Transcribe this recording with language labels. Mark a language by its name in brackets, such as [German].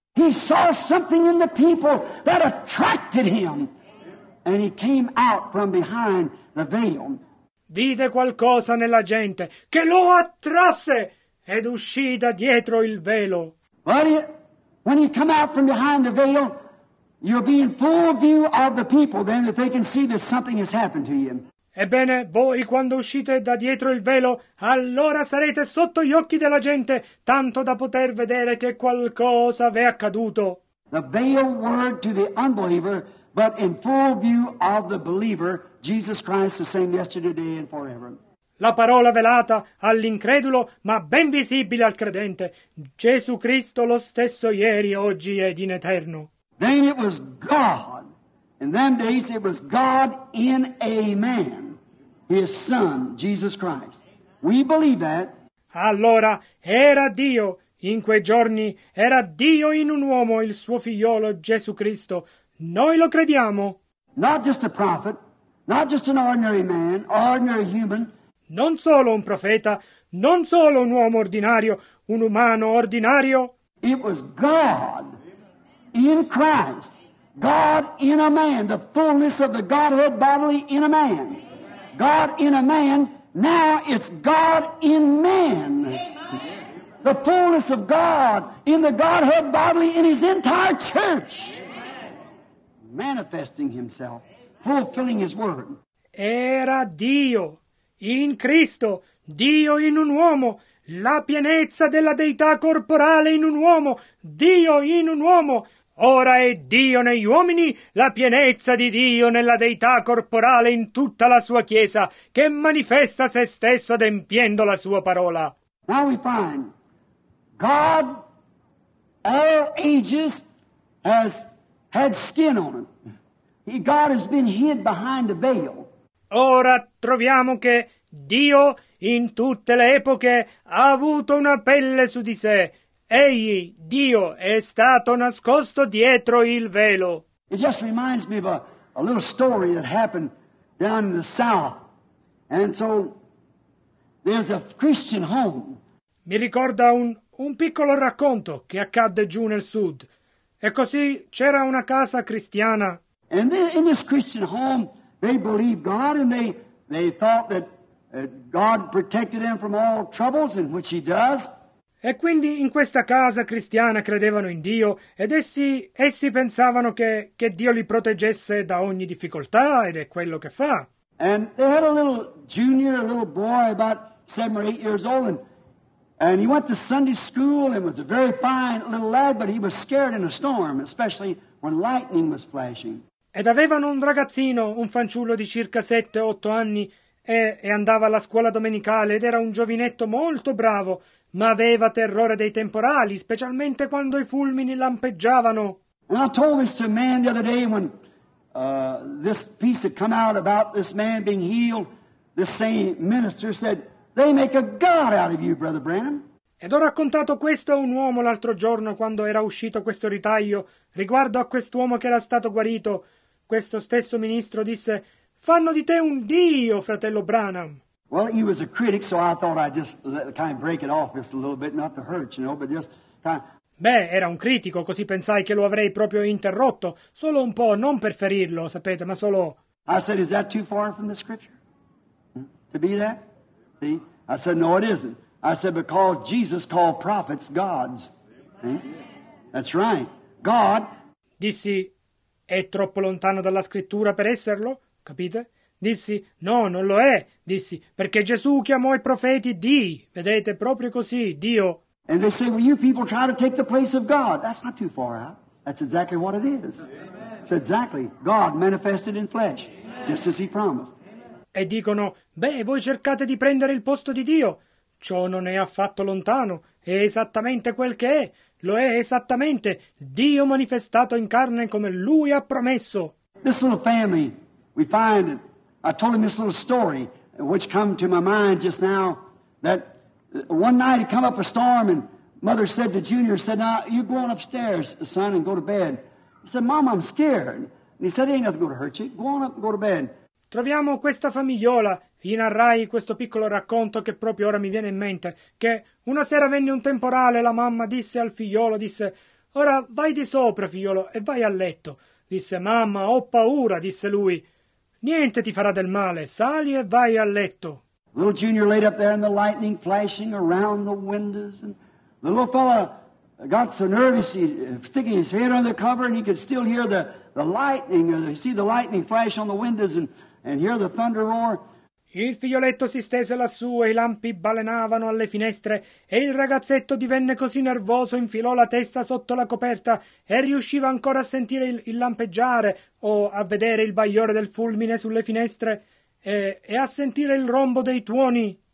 [English] He saw something in the people that attracted him, and he came out from behind the veil. [Italian] Vide qualcosa nella gente che lo attrasse ed uscì da dietro il velo. [English] Well, when you come out from behind the veil, you'll be in full view of the people then that they can see that something has happened to you. [Italian] Ebbene, voi quando uscite da dietro il velo, allora sarete sotto gli occhi della gente, tanto da poter vedere che qualcosa v'è accaduto. [English] The veil word to the unbeliever, but in full view of the believer, Jesus Christ the same yesterday, today and forever. [Italian] La parola velata all'incredulo, ma ben visibile al credente. Gesù Cristo lo stesso ieri, oggi ed in eterno. [English] Then it was God. In them days it was God in a man, his son, Jesus Christ. We believe that. [Italian] Allora era Dio in quei giorni, era Dio in un uomo, il suo figliolo Gesù Cristo. Noi lo crediamo. [English] Not just a prophet, not just an ordinary man, ordinary human. [Italian] Non solo un profeta, non solo un uomo ordinario, un umano ordinario. [English] It was God. In Christ, God in a man, the fullness of the Godhead bodily in a man. God in a man, now it's God in man. The fullness of God in the Godhead bodily in his entire church. Manifesting himself, fulfilling his word. [Italian] Era Dio in Cristo, Dio in un uomo, la pienezza della deità corporale in un uomo, Dio in un uomo. Ora è Dio negli uomini, la pienezza di Dio nella deità corporale in tutta la sua Chiesa, che manifesta se stesso adempiendo la sua parola. [English] Now we find God, all ages, has had skin on him. God has been hid behind a veil. [Italian] Ora troviamo che Dio in tutte le epoche ha avuto una pelle su di sé. Egli, Dio, è stato nascosto dietro il velo. [English] It just reminds me of a little story that happened down in the south. And so there's a Christian home. [Italian] Mi ricorda un piccolo racconto che accadde giù nel sud. E così c'era una casa cristiana. [English] And in this Christian home they believed God and they thought that God protected them from all troubles, in which he does. [Italian] E quindi in questa casa cristiana credevano in Dio ed essi pensavano che Dio li proteggesse da ogni difficoltà ed è quello che fa. [English] And they had a little junior, a little boy about 7 or 8 years old, and he went to Sunday school and was a very fine little lad, but he was scared in a storm, especially when lightning was flashing. [Italian] Ed avevano un ragazzino, un fanciullo di circa 7-8 anni, e andava alla scuola domenicale ed era un giovinetto molto bravo, ma aveva terrore dei temporali, specialmente quando i fulmini lampeggiavano. [English] And I told this to a man the other day when this piece had come out about this man being healed, the same minister said, "They make a god out of you, Brother Branham." [Italian] Ed ho raccontato questo a un uomo l'altro giorno quando era uscito questo ritaglio riguardo a quest'uomo che era stato guarito. Questo stesso ministro disse: "Fanno di te un dio, fratello Branham." [English] Well, he was a critic, so I thought I'd just kind of break it off just a little bit, not to hurt, you know, but just kind of... [Italian] Beh, era un critico, così pensai che lo avrei proprio interrotto, solo un po', non per ferirlo, sapete, ma solo... [English] I said, "Is that too far from the scripture? To be that?" See? I said, "No, it isn't." I said, "Because Jesus called prophets gods." That's right. God. [Italian] Dissi, è troppo lontano dalla scrittura per esserlo? Capite? Dissi, no, non lo è. Dissi, perché Gesù chiamò i profeti di. Vedete, proprio così, Dio. [English] And they say, "Well, you people try to take the place of God." That's not too far out. That's exactly what it is. Amen. It's exactly God manifested in flesh, amen, just as he promised. [Italian] Amen. E dicono, "Beh, voi cercate di prendere il posto di Dio." Ciò non è affatto lontano, è esattamente quel che è. Lo è esattamente Dio manifestato in carne come Lui ha promesso. [English] This little family, we find it. I told him this little story, which came to my mind just now, that one night it came up a storm, and mother said to Junior, said, "Now, you go on upstairs, son, and go to bed." He said, "Mom, I'm scared." And he said, "Ain't nothing gonna hurt you. Go on up and go to bed." [Italian] Troviamo questa famigliola. Gli narrai questo piccolo racconto che proprio ora mi viene in mente, che una sera venne un temporale e la mamma disse al figliolo, disse, "Ora vai di sopra, figliolo, e vai a letto." Disse, "Mamma, ho paura," disse lui. "Niente ti farà del male, sali e vai a letto." [English] Little Junior laid up there and the lightning flashing around the windows. And the little fella got so nervous, he sticking his head under the cover, and he could still hear the lightning, or see the lightning flash on the windows and hear the thunder roar. [Italian] Il figlioletto si stese lassù e i lampi balenavano alle finestre e il ragazzetto divenne così nervoso, infilò la testa sotto la coperta e riusciva ancora a sentire il lampeggiare o a vedere il bagliore del fulmine sulle finestre e a sentire il rombo dei tuoni.